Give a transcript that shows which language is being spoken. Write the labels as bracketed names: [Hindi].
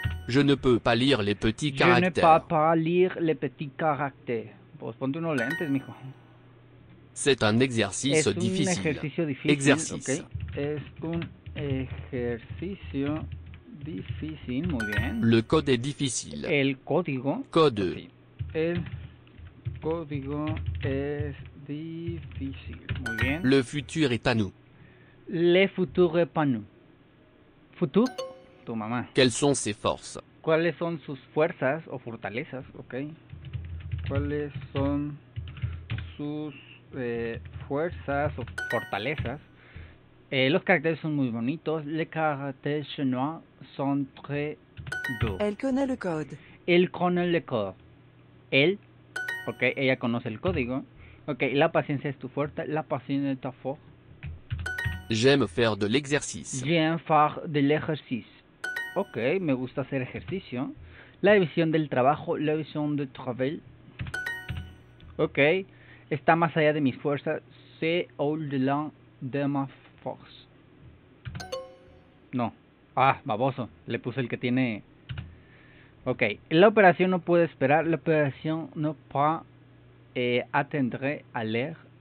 [French] Je ne peux pas lire les petits Je ne peux caractères. pas lire les petits caractères. [Spanish] Pues ponte unos lentes, mijo. [French] C'est un exercice [Spanish] Es un [French] difficile. [Spanish] ejercicio difícil, ok. [French] Exercice. [Spanish] Es un ejercicio difícil, muy bien. [French] Le code est difficile. [Spanish] El código, [French] Code. [Spanish] así. El código es difícil. Muy bien. [French] Le futur est à nous. [Spanish] Le futuro es [French] para nous. [Spanish] Futuro, tu mamá. [French] Quelles sont ses forces? [Spanish] ¿Cuáles son sus fuerzas o fortalezas? Ok. ¿Cuáles son sus fuerzas o fortalezas? Los caracteres son muy bonitos. [French] Les caractères chinois son très beaux. Elle connaît le code. [Spanish] Él conoce el código. Él, ok, ella conoce el código. Ok, la paciencia es tu fuerte. La paciencia es tu fuerte. [French] J'aime faire de l'exercice. J'aime faire de l'exercice. [Spanish] Ok, me gusta hacer ejercicio. La visión del trabajo, la visión [French] de travail. [Spanish] Ok, está más allá de mis fuerzas. [French] C'est au-delà de ma force. [Spanish] No. Ah, baboso. Le puse el que tiene. Ok, la operación no puede esperar. La operación no [French] peut attendre à l'air.